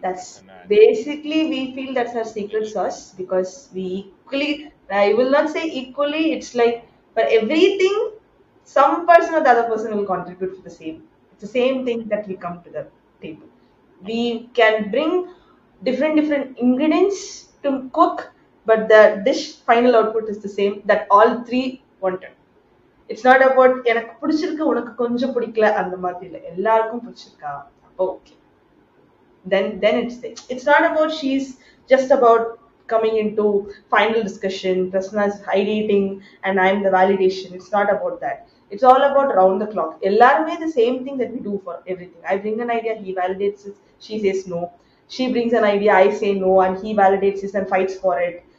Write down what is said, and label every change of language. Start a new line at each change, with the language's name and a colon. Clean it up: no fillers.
English: That's basically, we feel that's our secret sauce, because we equally, I will not say equally, it's like for everything some person or the other person will contribute for the same. It's the same thing that we come to the table. We can bring different ingredients to cook, but the dish final output is the same that all three wanted. It's not about
Tamil: எனக்கு பிடிச்சிருக்கு உனக்கு கொஞ்சம் பிடிக்கல அந்த மாதிரி இல்லை, எல்லாருக்கும் பிடிச்சிருக்கா அப்போ okay.
English: Then it's there. It's not about she's just about coming into final discussion, Prasanna's ideating and I'm the validation. It's not about that. It's all about round the clock.
Tamil: எல்லாருமே
English: the same thing that we do for everything. I bring an idea, he validates it, she says no. She brings an idea, I say no, and he validates it and fights for it.